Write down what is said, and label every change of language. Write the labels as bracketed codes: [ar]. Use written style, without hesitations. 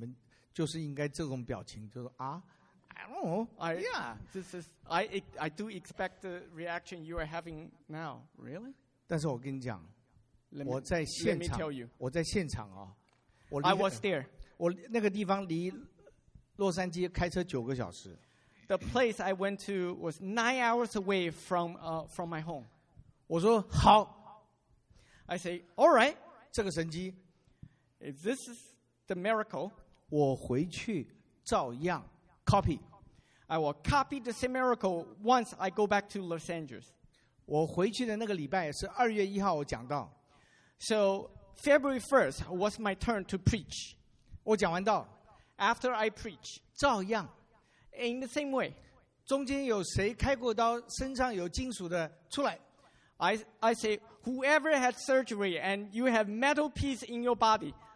[zh] 我相信你们就是应该这种表情，就是啊, [en] I don't know. Yeah. I do expect the reaction you are having now. Really? [zh] 但是我跟你讲, [en] let me tell you. [zh] 我在现场啊, [en] I was there. [zh] 我那个地方离洛杉矶开车9个小时。 [en] The place I went to was 9 hours away from my home. [zh] 我说好。 [en] I say, all right. [zh] 这个神迹, [en] if this is the miracle, [zh] 我回去照样 copy. [en] I will copy the same miracle once I go back to Los Angeles. [zh] 我回去的那个礼拜是2月1号我讲到。 [en] So February 1st was my turn to preach. [zh] 我讲完道, [en] after I preach, [zh] 照样, [en] in the same way, [zh] 中间有谁开过刀, 身上有金属的, 出来, [en] I say, whoever had surgery and you have metal piece in your body,